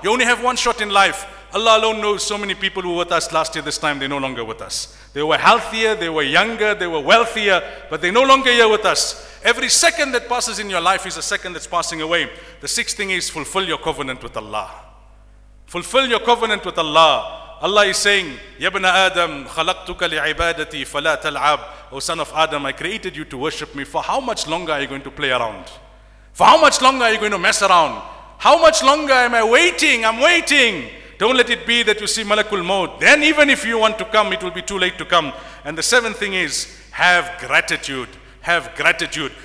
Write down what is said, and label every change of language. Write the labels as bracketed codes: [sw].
[en] You only have one shot in life. Allah alone knows so many people who were with us last year this time, they're no longer with us. They were healthier, they were younger, they were wealthier, but they're no longer here with us. Every second that passes in your life is a second that's passing away. The sixth thing is fulfill your covenant with Allah. Fulfill your covenant with Allah. Allah is saying, [ar] يَبْنَ آدَمْ خَلَقْتُكَ لِعِبَادَتِي فَلَا تَلْعَبْ. [en] O son of Adam, I created you to worship me. For how much longer are you going to play around? For how much longer are you going to mess around? How much longer am I waiting? I'm waiting. Don't let it be that you see Malakul Maut. Then even if you want to come, it will be too late to come. And the seventh thing is, have gratitude. Have gratitude.